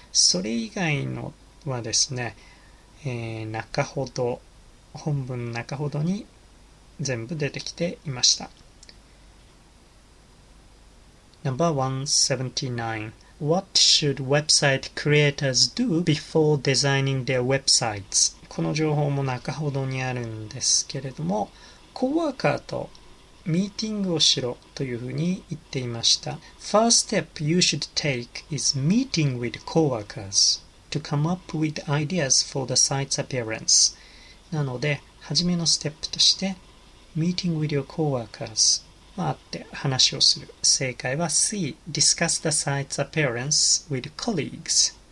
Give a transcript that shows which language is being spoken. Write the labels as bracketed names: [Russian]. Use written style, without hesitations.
[Japanese] それ以外のはですね、本文中ほどに全部出てきていました。 [English] Number 179. What should website creators do before designing their websites? [Japanese] この情報も中ほどにあるんですけれども、コーワーカーとミーティングをしろというふうに言っていました。 [English] First step you should take is meeting with coworkers to come up with ideas for the site's appearance. [Japanese] なので、はじめのステップとして、 [English] meeting with your coworkers. [Japanese] あって話をする。正解は C. [English] Discuss the site's appearance with colleagues.